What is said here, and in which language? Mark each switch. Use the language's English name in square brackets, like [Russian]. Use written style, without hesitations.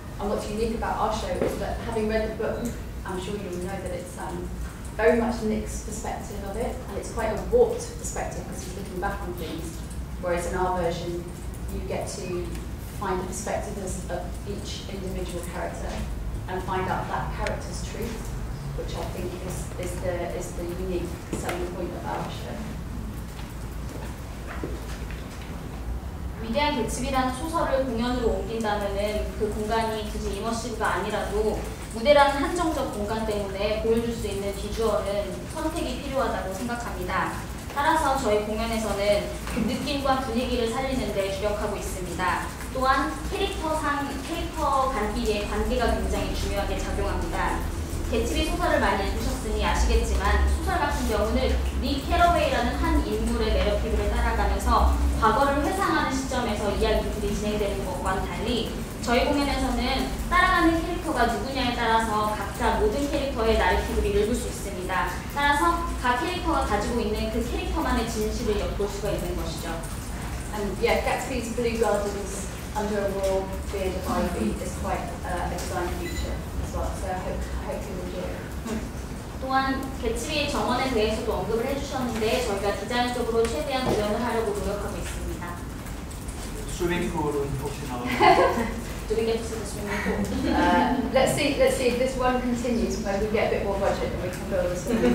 [English] And what's unique about our show is that having read the book, I'm sure you'll know that it's very much Nick's perspective of it, and it's quite a warped perspective because he's looking back on things, whereas in our version, you get to find the perspective of each individual character and find out that character's truth, which I think is the unique selling point of our show. [Korean] 위대한 개츠비라는 소설을 공연으로 옮긴다면은 그 공간이 굳이 이머시브가 아니라도 무대라는 한정적 공간 때문에 보여줄 수 있는 비주얼은 선택이 필요하다고 생각합니다. 따라서 저희 공연에서는 그 느낌과 분위기를 살리는 데 주력하고 있습니다. 또한 캐릭터 간끼리의 관계가 굉장히 중요하게 작용합니다. 개츠비 소설을 많이 읽으셨으니 아시겠지만 소설 같은 경우는 닉 캐러웨이라는 한 인물의 내러티브를 따라가면서 과거를 회상하는 시점에서 이야기들이 진행되는 것과는 달리 저희 공연에서는 따라가는 캐릭터가 누구냐에 따라서 각자 모든 캐릭터의 나래티브를 읽을 수 있습니다. 따라서 각 캐릭터가 가지고 있는 그 캐릭터만의 진실을 엿볼 수가 있는 것이죠. [English] Yeah, Gatsby's Blue Gardens under a royal beard of ivy is quite a design feature as well, so I hope you enjoy it. [Korean] 또한 개츠비의 정원에 대해서도 언급을 해주셨는데 저희가 디자인적으로 최대한 구현을 하려고 노력하고 있습니다. [English] swimming pool and pushing out. Do we get to see the swimming pool? Let's see if this one continues, maybe we get a bit more budget and we can build a swimming